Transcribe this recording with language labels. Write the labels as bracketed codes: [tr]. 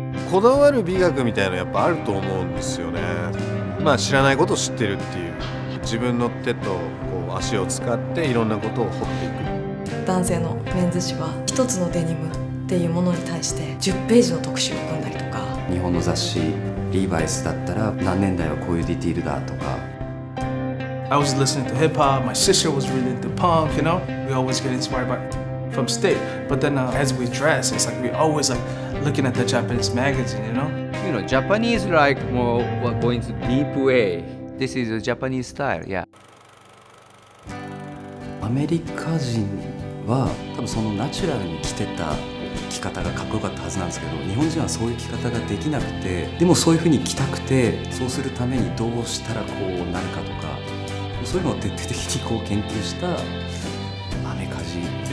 [ja] こだわる美学みたいなのやっぱあると思うんですよね。まあ知らないことを知ってるっていう、自分の手とこう足を使っていろんなことを掘っていく。男性のメンズ誌は一つのデニムっていうものに対して10ページの特集を組んだりとか、日本の雑誌リーバイスだったら何年代はこういうディティールだとか。 [en] I was listening to hip hop, my sister was really into punk, you know, we always get inspired by from state, but then as we dress, it's like we always like looking at the Japanese magazine, you know, Japanese like more going to deep way, this is a Japanese style, yeah. [ja] アメリカ人は多分そのナチュラルに着てた着方がかっこよかったはずなんですけど、日本人はそういう着方ができなくて、でもそういうふうに着たくて、そうするためにどうしたらこうなるかとか、そういうのを徹底的にこう研究したアメカジ。